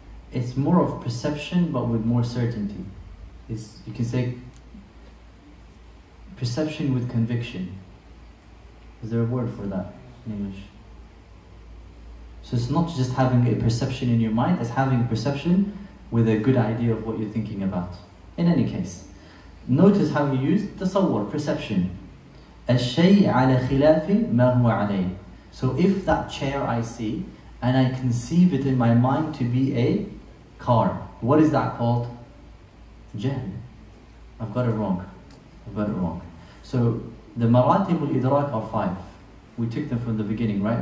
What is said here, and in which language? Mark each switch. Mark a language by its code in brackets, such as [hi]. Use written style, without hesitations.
[en] It's more of perception, but with more certainty. It's, you can say perception with conviction. Is there a word for that in English? So it's not just having a perception in your mind, it's having a perception with a good idea of what you're thinking about. In any case, notice how you use tasawwur, perception. [ar] الشيء على خلاف ما هو عليه. [en] So if that chair I see, and I conceive it in my mind to be a car, what is that called? جهل. I've got it wrong. So the maratib al-idraq are five. We took them from the beginning, right?